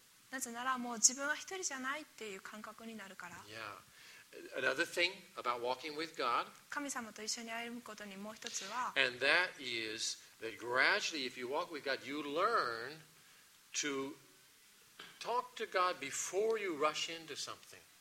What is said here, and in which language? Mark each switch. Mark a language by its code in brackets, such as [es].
[ja] なぜならもう自分は一人じゃないという感覚になるから。 [en] yeah. Another thing about walking with God, [ja] 神様と一緒に歩むことにもう一つは、 [en] and that is that gradually, if you walk with God, you learn to talk to God before you rush into something.